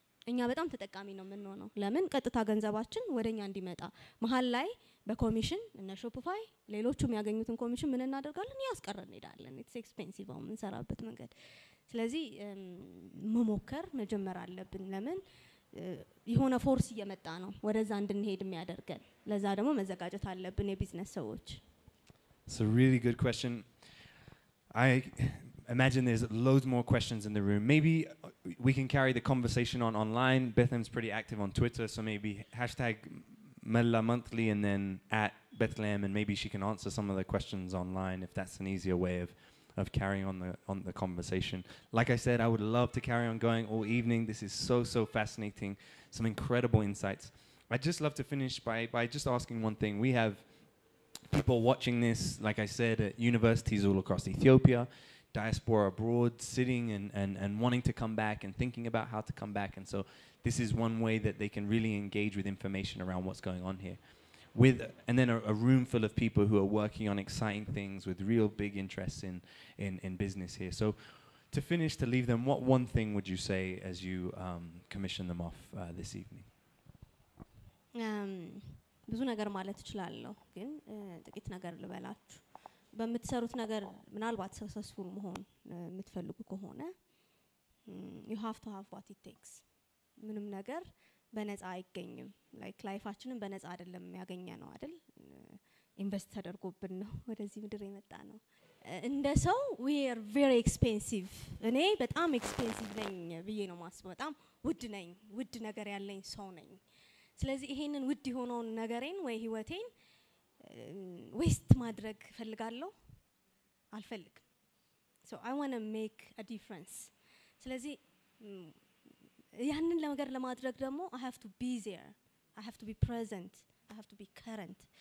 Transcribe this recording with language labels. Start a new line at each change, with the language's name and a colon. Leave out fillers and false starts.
Amharic: እኛ በጣም ተጠቃሚ ነው ምን ሆነው ለምን ቀጥታ ገንዘባችን ወደኛ እንዲመጣ መሃል ላይ በኮሚሽን እና ሾፕፋይ ሌሎቹም ያገኙትን ኮሚሽን ምን እናደርጋለን ያስቀረን እንዳለን
English: it's expensive
Amharic: አሁን ምን ሰራበት መንገድ። ስለዚህ መሞከር መጀመር አለብን ለምን የሆነ ፎርስ እየመጣ ነው ወደዛ እንድንሄድም ያደርገን ለዛ ደግሞ መዘጋጀት አለብን የቢዝነስ ሰዎች።
English: It's a really good question. I imagine there's loads more questions in the room. Maybe we can carry the conversation on online. Bethlehem's pretty active on Twitter, so maybe hashtag Mella Monthly and then at Bethlehem, and maybe she can answer some of the questions online if that's an easier way of carrying on the conversation. Like I said, I would love to carry on going all evening. This is so, so fascinating. Some incredible insights. I'd just love to finish by just asking one thing. We have people watching this, like I said, at universities all across Ethiopia, diaspora abroad sitting and wanting to come back and thinking about how to come back, and so this is one way that they can really engage with information around what's going on here with and then a room full of people who are working on exciting things with real big interests in business here. So to finish, to leave them, what one thing would you say as you commission them off this evening?
Amharic: ብዙ ነገር ማለት እችላለሁ ግን ጥቂት ነገር ልበላችሁ። በምትሰሩት ነገር ምናልባት ሰክሰስፉል መሆን የምትፈልጉ ከሆነ
English: you have to have what it takes.
Amharic: ምንም ነገር በነጻ አይገኝም። ላይክ ላይፋችንን በነጻ አይደለም ያገኘነው አይደል? ኢንቨስት ተደርጎብን ነው ወደዚህ ምድር የመጣ ነው። እንደ ሰው
English: we are very expensive.
Amharic: እኔ በጣም expensive ነኝ ብዬ ነው ማስበው። በጣም ውድ ነኝ። ውድ ነገር ያለኝ ሰው ነኝ። ስለዚህ ይሄንን ውድ የሆነውን ነገሬን ወይ ህይወቴን waste madreg felgallo alfelg
English: so I want to make a difference.
Amharic: Selezi yannin lemager lemadreg demo
English: I have to be there, I have to be present, I have to be current.